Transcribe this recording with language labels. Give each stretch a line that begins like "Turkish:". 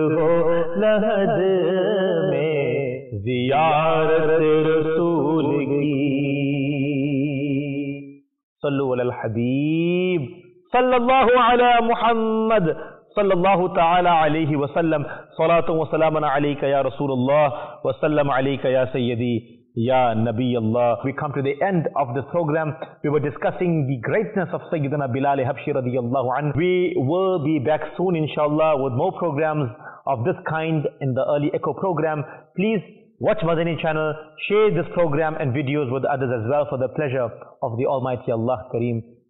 Urdu: رسول کی لحد میں زیارت رسول کی
Arabic: صلو علی الحبیب صلی اللہ علی محمد صلى الله تعالى عليه وسلم صلاة وسلام عليك يا رسول الله وسلم عليك يا سيدي يا نبي الله.
English: We come to the end of this program. We were discussing the greatness of Sayyidina Bilal Habshi radiyallahu anhu. We will be back soon inshallah with more programs of this kind in the Early Echo program. Please watch Madani channel, share this program and videos with others as well for the pleasure of the Almighty Allah Kareem.